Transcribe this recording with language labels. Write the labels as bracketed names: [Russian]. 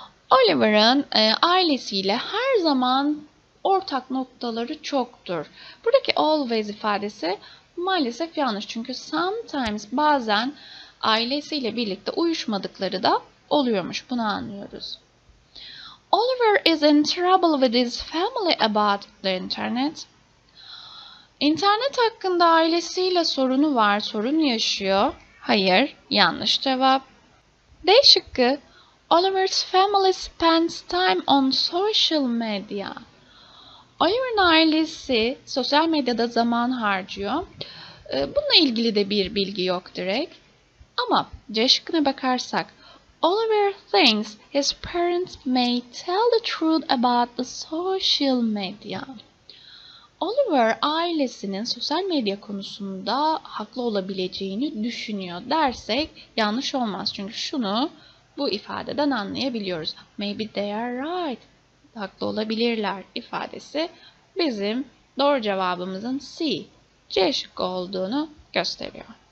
[Turkish] Oliver'ın ailesiyle her zaman ortak noktaları çoktur. Buradaki always ifadesi maalesef yanlış. Çünkü sometimes, bazen ailesiyle birlikte uyuşmadıkları da oluyormuş. Bunu anlıyoruz. [English] Oliver is in trouble with his family about the internet. [Turkish] İnternet hakkında ailesiyle sorunu var, sorun yaşıyor. Hayır, yanlış cevap. D şıkkı, [English] Oliver's family spends time on social media. [Turkish] Oliver'ın ailesi sosyal medyada zaman harcıyor. Bununla ilgili de bir bilgi yok direkt. Ama C şıkkına bakarsak, [English] Oliver thinks his parents may tell the truth about the social media. [Turkish] Oliver ailesinin sosyal medya konusunda haklı olabileceğini düşünüyor dersek yanlış olmaz. Çünkü şunu bu ifadeden anlayabiliyoruz. [English] Maybe they are right. [Turkish] Haklı olabilirler ifadesi bizim doğru cevabımızın C, C şıkkı olduğunu gösteriyor.